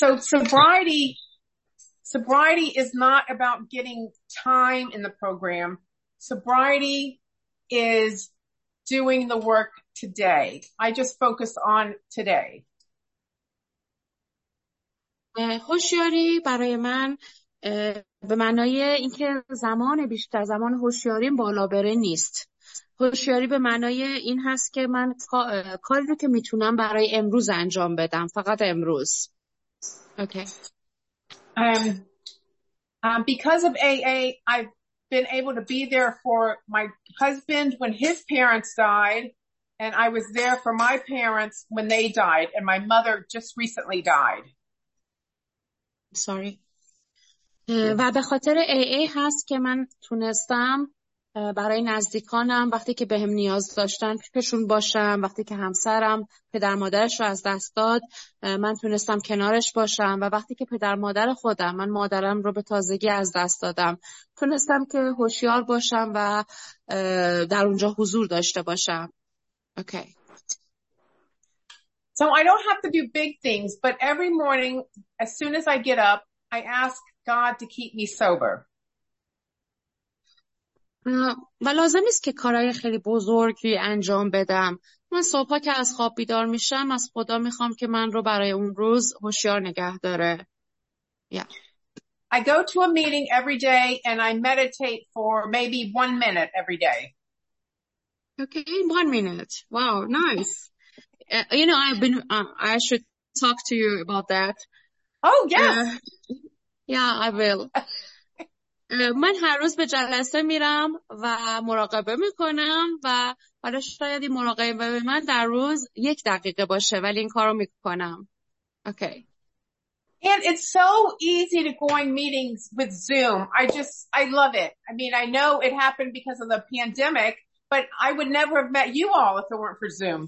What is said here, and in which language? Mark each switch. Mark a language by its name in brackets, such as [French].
[English] Sobriety is not about getting time in the program. Sobriety is doing the work today. I just focus on today. [Persian] هوشیاری برای من به معنای اینکه زمان بیشتر زمان هوشیاری بالا بره نیست. هوشیاری به معنای این هست که من کاری رو که میتونم برای امروز انجام بدم، فقط امروز. [English] Okay. Because of AA, I've been able to be there for my husband when his parents died, and I was there for my parents when they died, and my mother just recently died. Sorry. [Persian] و به خاطر AA هست که من تونستم برای نزدیکانم وقتی که بهم نیاز داشتن پیششون باشم، وقتی که همسرم پدر مادرش رو از دست داد من تونستم کنارش باشم، و وقتی که پدر مادر خودم من مادرم رو به تازگی از دست دادم تونستم که هوشیار باشم و در اونجا حضور داشته باشم. [English] Okay. So I don't have to do big things, but every morning as soon as I get up, I ask God to keep me sober. [Persian] و لازم نیست که کارهای خیلی بزرگی انجام بدم. من صبحا که از خواب بیدار میشم از خدا میخوام که من رو برای اون روز هوشیار نگه داره. [English] I go to a meeting every day and I meditate for maybe 1 minute every day. Okay, 1 minute. Wow, nice. You know, I should talk to you about that. Oh, yes. Yeah, I will. [Persian] من هر روز به جلسه میرم و مراقبه میکنم و حالا شاید این مراقبه به من در روز 1 دقیقه باشه، ولی این کارو میکنم. [English] Okay. And it's so easy to go in meetings with Zoom. I love it. I mean, I know it happened because of the pandemic, but I would never have met you all if it weren't for Zoom.